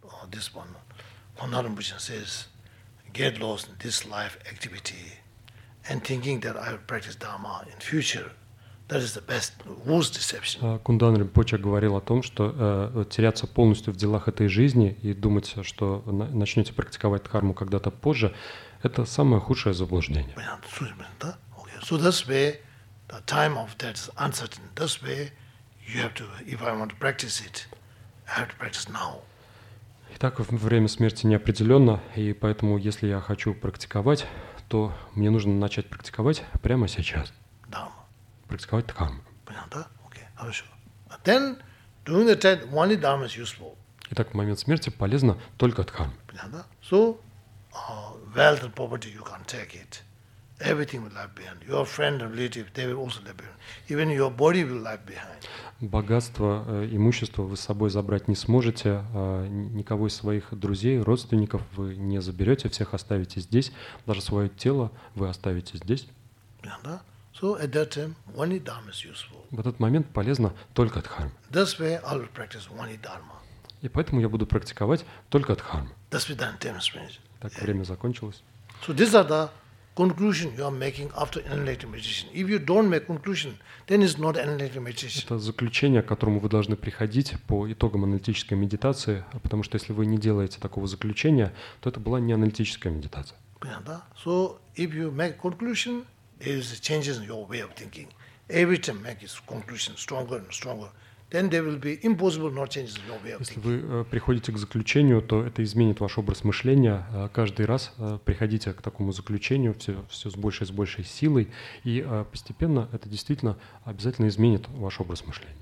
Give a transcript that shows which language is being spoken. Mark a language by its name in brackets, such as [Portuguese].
[English] This one, Honorable Buddha says, get lost in this life activity and thinking that I will practice dharma in future. That is the best, worst deception. [Russian] Кундан Ринпоче говорил о том, что теряться полностью в делах этой жизни и думать, что начнете практиковать дхарму когда-то позже, это самое худшее заблуждение. [English] Okay. So this way, the time of that is uncertain. This way, you have to, if I want to practice it, I have to practice now. [Russian] Итак, время смерти неопределенно, и поэтому, если я хочу практиковать, то мне нужно начать практиковать прямо сейчас. Практиковать дхарму. Понятно? Окей, хорошо. [English] Then, during the time, only dharma is useful. [Russian] Итак, в момент смерти полезно только дхарма. Понятно? [English] So, wealth and property, you can't take it. Everything will lie behind. Your friend and relative, they will also lie behind. Even your body will lie behind. [Russian] Богатство, имущество вы с собой забрать не сможете. Никого из своих друзей, родственников вы не заберете. Всех оставите здесь. Даже свое тело вы оставите здесь. Понятно? [English] So at that time, only dharma is useful. [Russian] В этот момент полезно только дхарма. [English] This way, I will practice only dharma. [Russian] И поэтому я буду практиковать только дхарму. [English] That's why time is finished. [Russian] Так, время закончилось. [English] So these are the conclusion you are making after enlightened meditation. If you don't make conclusion, then it's not enlightened meditation. [Russian] Это заключение, к которому вы должны приходить по итогам аналитической медитации, потому что если вы не делаете такого заключения, то это была не аналитическая медитация. Понятно? [English] So if you make conclusion, is changes in your way of thinking. Every time make its conclusion stronger and stronger, then there will be impossible not changes in your way of thinking. [Russian] Если вы приходите к заключению, то это изменит ваш образ мышления. Каждый раз приходите к такому заключению все с большей и с большей силой, и постепенно это действительно обязательно изменит ваш образ мышления.